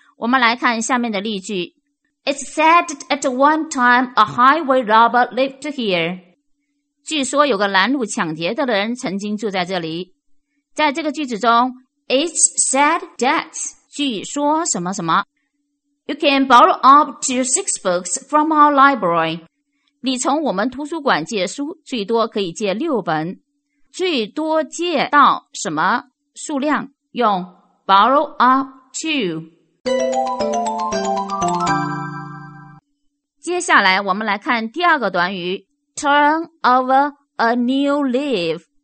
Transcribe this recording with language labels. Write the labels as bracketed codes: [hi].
[zh] 我们来看下面的例句 [en] It's said at one time a highway robber lived here [zh] 据说有个拦路抢劫的人曾经住在这里。在这个句子中 [en] It's said that, [zh] 据说什么什么。 [en] You can borrow up to 6 books from our library. [zh] 你从我们图书馆借书最多可以借6本。最多借到什么数量用 [en] borrow up to。 [zh] 接下来我们来看第二个短语 [en] turn over a new leaf.